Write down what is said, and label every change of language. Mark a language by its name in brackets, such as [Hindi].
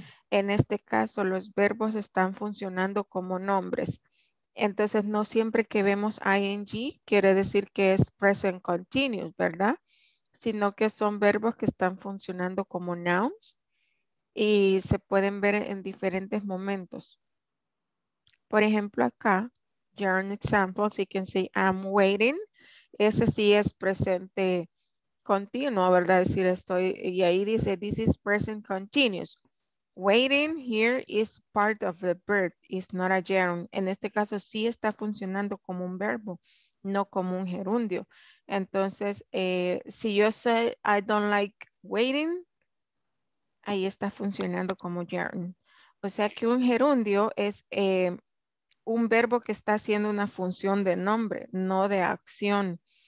[Spanish] En este caso, los verbos están funcionando como nombres. Entonces, no siempre que vemos ing quiere decir que es present continuous, ¿verdad? Sino que son verbos que están funcionando como nouns y se pueden ver en diferentes momentos. Por ejemplo, acá, [English] during examples, you can say I'm waiting. [Spanish] Ese sí es presente continuo, ¿verdad? Es decir, estoy, y ahí dice, [English] this is present continuous. Waiting here is part of the verb, it's not a gerund. [Spanish] En este caso sí está funcionando como un verbo, no como un gerundio. Entonces, si yo [English] say I don't like waiting, [Spanish] ahí está funcionando como gerund. O sea que un gerundio es un verbo que está haciendo una función de nombre, no de acción.